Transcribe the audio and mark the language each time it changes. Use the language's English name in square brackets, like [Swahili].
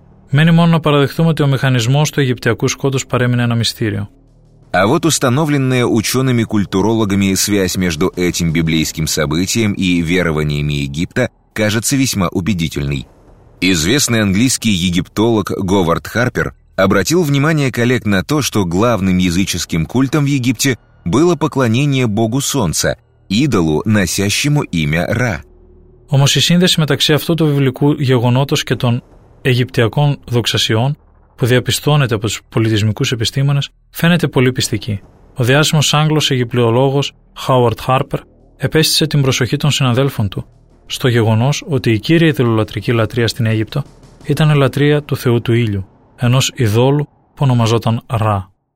[Greek] Μένει μόνο να παραδεχτούμε ότι ο μηχανισμός του Αιγυπτιακού σκότους παρέμεινε ένα μυστήριο. [Russian] А вот установленная учеными-культурологами связь между этим библейским событием и верованиями Египта кажется весьма убедительной. Известный английский египтолог Говард Харпер обратил внимание коллег на то, что главным языческим культом в Египте было поклонение богу солнца, идолу, носящему имя Ра. [Greek] Όμως η σύνδεση μεταξύ αυτού του βιβλικού γεγονότος και των Αιγυπτιακών δοξασιών που διαπιστώνεται από τους πολιτισμικούς επιστήμονες, φαίνεται πολύ πιστική. Ο διάσημος Άγγλος Αιγυπτιολόγος Χάουαρντ Χάρπερ επέστησε την προσοχή των συναδέλφων του στο γεγονός ότι η κύρια ειδωλολατρική λατρεία στην Αίγυπτο ήταν η λατρεία του θεού του ήλιου, ενός ειδώλου που ονομαζόταν Ρα.